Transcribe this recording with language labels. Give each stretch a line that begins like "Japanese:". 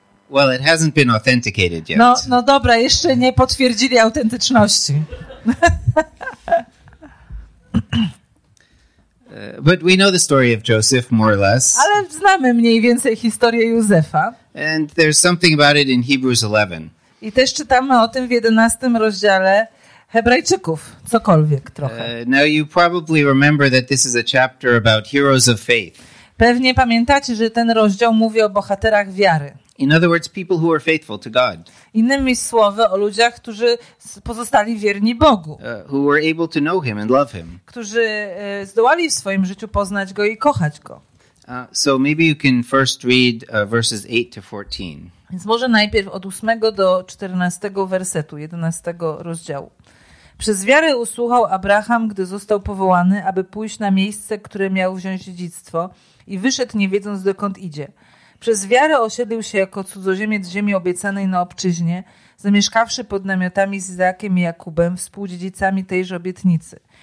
English: Well, it hasn't been authenticated yet.
Polish: No dobra, jeszcze nie potwierdzili autentyczności.
English: But we know the story of Joseph more or less.
Polish: Ale znamy mniej więcej historię Józefa.
English: And there's something about it in Hebrews 11.
Polish: I też czytamy o tym w 11 rozdziale Hebrajczyków, cokolwiek trochę.
English: Now you probably remember that this is a chapter about heroes of faith.
Polish: Pewnie pamiętacie, że ten rozdział mówi o bohaterach wiary.
English: In other words, people who are faithful to God.
Polish: Innymi słowy, o ludziach, którzy pozostali wierni Bogu.
English: Who were able to know him and love him.
Polish: Którzy zdołali w swoim życiu poznać go i kochać go.
English: So maybe you can first read verses 8 to 14.
Polish: Więc może najpierw od 8 do 14 wersetu, 11 rozdziału. Przez wiarę usłuchał Abraham, gdy został powołany, aby pójść na miejsce, które miał wziąć dziedzictwo i wyszedł, nie wiedząc, dokąd idzie. Przez wiarę osiedlił się jako cudzoziemiec ziemi obiecanej na obczyźnie, zamieszkawszy pod namiotami z Izaakiem i Jakubem, współdziedzicami tejże obietnicy.